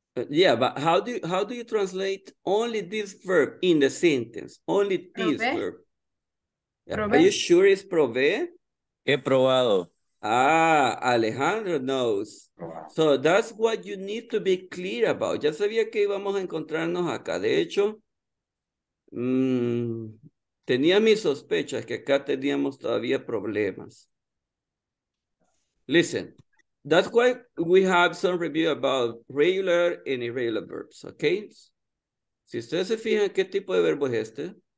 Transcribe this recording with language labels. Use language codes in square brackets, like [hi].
[en] Yeah, but how do you translate only this verb in the sentence? Only this probé. Verb. Yeah. Are you sure it's probé? [es] He probado. [en] Ah, Alejandro knows. So that's what you need to be clear about. [es] Ya sabía que íbamos a encontrarnos acá. De hecho, tenía mis sospechas que acá teníamos todavía problemas. [en] Listen, that's why we have some review about regular and irregular verbs, okay? [es] Si ustedes se fijan, ¿qué tipo de verbo es este?